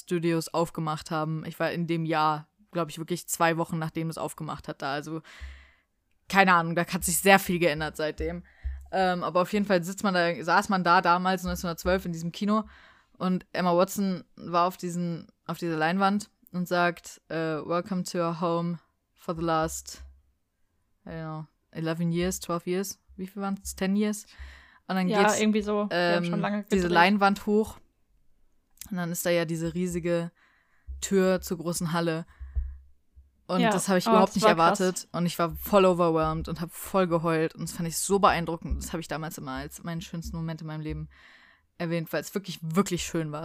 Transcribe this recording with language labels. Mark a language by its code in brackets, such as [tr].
[de] Studios aufgemacht haben. Ich war in dem Jahr, glaube ich, wirklich 2 Wochen, nachdem es aufgemacht hat, da. Also keine Ahnung, da hat sich sehr viel geändert seitdem. Aber auf jeden Fall saß man da damals 1912 in diesem Kino und Emma Watson war auf dieser Leinwand und sagt: [en] Welcome to your home for the last, I don't know, 11 years, 12 years, [de] wie viel waren es? [en] 10 years? [de] Und dann geht irgendwie so, wir haben schon lange diese Leinwand hoch. Und dann ist da ja diese riesige Tür zur großen Halle. Und das habe ich überhaupt nicht erwartet. Krass. Und ich war voll overwhelmed und habe voll geheult. Und das fand ich so beeindruckend. Das habe ich damals immer als meinen schönsten Moment in meinem Leben erwähnt, weil es wirklich, wirklich schön war.